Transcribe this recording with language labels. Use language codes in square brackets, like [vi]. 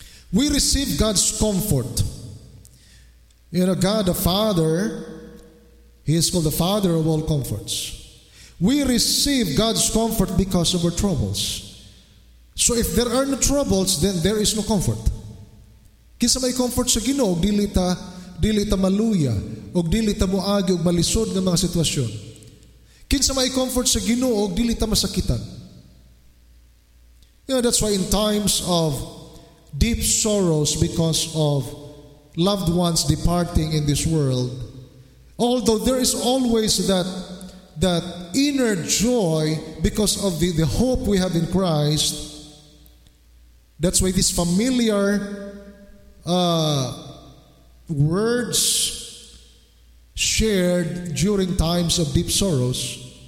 [en] We receive God's comfort. You know, God the Father, He is called the Father of all comforts. We receive God's comfort because of our troubles. So if there are no troubles, then there is no comfort. [ceb] Kinsa may comfort sa Ginoo, dili ta maluya, og dili ta moagi og malisod nga mga sitwasyon. Kinsa may comfort sa Ginoo, dili ta masakitan. [en] You know, that's why in times of deep sorrows because of loved ones departing in this world, although there is always that inner joy because of the hope we have in Christ, that's why these familiar words shared during times of deep sorrows